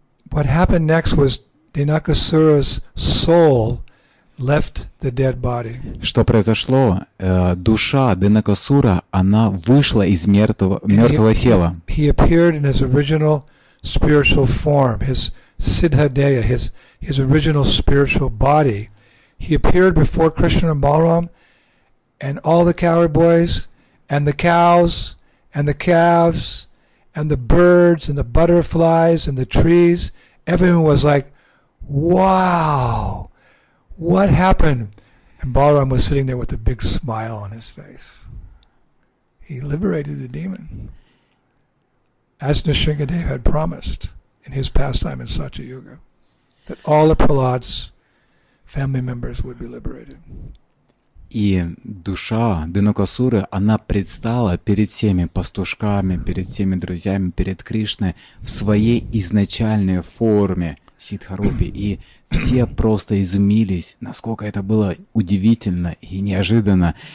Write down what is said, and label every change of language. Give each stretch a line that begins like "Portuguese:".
English: What happened next was Dinakasura's soul left the dead body.
Russian: Что произошло? Душа Динакасура, она вышла из мертвого тела.
English: He appeared in his original spiritual form, his Siddhadeya, his original spiritual body. He appeared before Krishna and Balaram and all the cowherd boys and the cows and the calves and the birds and the butterflies and the trees. Everyone was like, wow, what happened? And Balaram was sitting there with a big smile on his face. He liberated the demon, as Nrisimhadev had promised in his pastime in Satya Yuga, that all of Prahlad's family members would be liberated.
Russian: И душа Динакасуры, она предстала перед всеми пастушками, перед всеми друзьями, перед Кришной в своей изначальной форме Сиддхарупи. И все просто изумились, насколько это было удивительно и неожиданно.